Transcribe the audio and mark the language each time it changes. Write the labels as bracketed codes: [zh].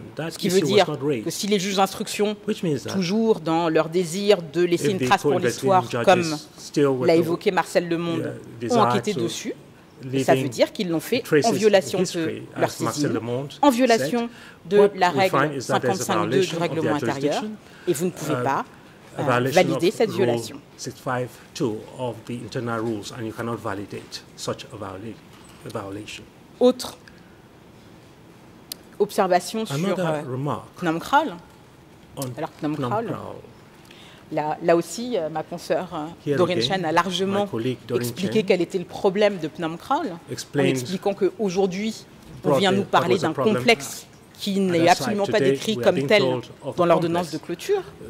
[fr] Ce qui veut dire que si les juges d'instruction, toujours dans leur désir de laisser une trace pour l'histoire, comme l'a évoqué Marcel Lemonde, ont enquêté dessus, ça veut dire qu'ils l'ont fait en violation de leur saisine, en violation de la règle 55.2 du règlement intérieur, et vous ne pouvez pas valider cette violation. [en] 652 of the internal rules, and you cannot validate such a violation. [fr] Autre observation sur Phnom Kraal. Alors Phnom Kraal, là aussi, ma consoeur Doreen Chen a largement expliqué quel était le problème de Phnom Kraal, en expliquant qu'aujourd'hui, on vient nous parler d'un complexe qui n'est absolument pas décrit comme tel dans l'ordonnance de clôture.